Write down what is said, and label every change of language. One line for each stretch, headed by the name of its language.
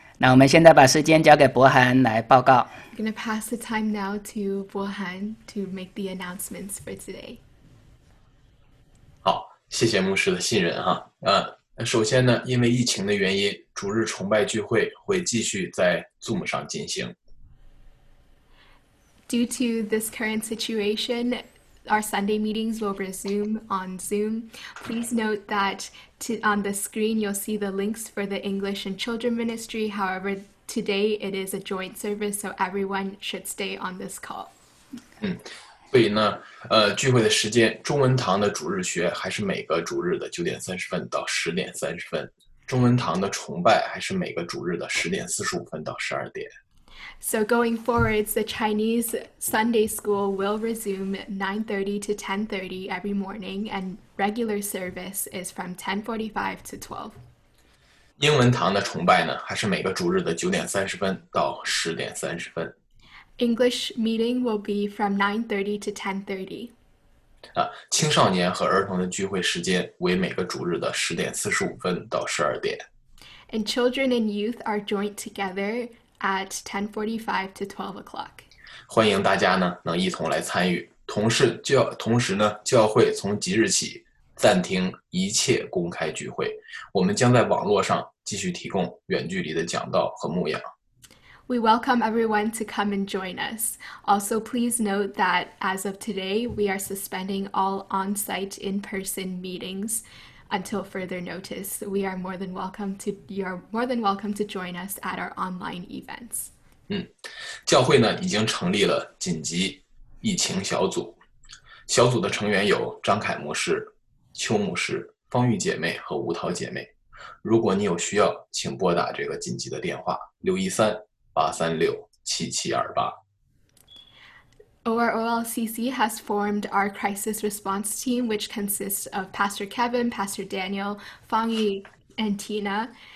Chinese: 那我们现在把时间交给伯涵来报告。
English: I'm gonna pass the time now to 伯涵 to make the announcements for today.
Chinese: 好，谢谢牧师的信任哈。首先呢，因为疫情的原因，主日崇拜聚会会继续在 Zoom 上进行。
English: Due to this current situation, our Sunday meetings will resume on Zoom. Please note that on the screen you'll see the links for the English and Children Ministry. However, today it is a joint service, so everyone should stay on this call.
Chinese: 所以呢，聚会的时间，中文堂的主日学还是每个主日的9:30到10:30，中文堂的崇拜还是每个主日的10:45到12:00。
English: So going forwards, the Chinese Sunday school will resume 9:30 to 10:30 every morning, and regular service is from 10:45 to 12:00.
Chinese: 英文堂的崇拜呢，还是每个主日的9:30到10:30。
English: English meeting will be from 9:30 to 10:30.
Chinese: 青少年和儿童的聚会时间为每个主日的10:45到12:00.
English: And children and youth are joined together. At 10:45 to 12:00.
Chinese: 欢迎大家呢能一同来参与。同时呢，教会从即日起暂停一切公开聚会。我们将在网络上继续提供远距离的讲道和牧养。
English: We welcome everyone to come and join us. Also, please note that as of today, we are suspending all on-site in-person meetings until further notice. We are more than welcome to. You are more than welcome to join us at our online events.
Chinese: 教会呢已经成立了紧急疫情小组。小组的成员有张凯牧师、邱牧师、方玉姐妹和吴桃姐妹。如果你有需要，请拨打这个紧急的电话613-836-7728。
English: OROLCC has formed our crisis response team, which consists of Pastor Kevin, Pastor Daniel, Fangyi, and Tina.